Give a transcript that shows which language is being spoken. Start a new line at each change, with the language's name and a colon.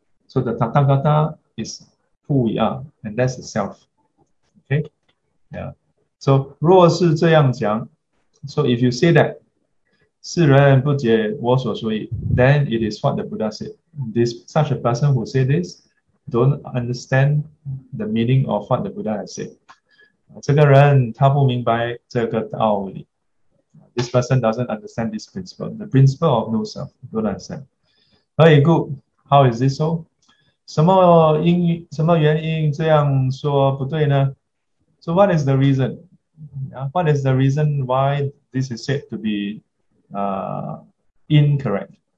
English: So the Tathagata is who we are, and that's the self. Okay? Yeah. So
Chinese: 若是这样讲,
English: so if you say that
Chinese: 世人不解我所说意,
English: then it is what the Buddha said. This such a person who say this don't understand the meaning of what the Buddha has said.
Chinese: 这个人他不明白这个道理.
English: This person doesn't understand this principle, the principle of no self, don't understand. Very good. How is this so?
Chinese: 什么原因这样说不对呢?
English: So what is the reason? What is the reason why this is said to be incorrect?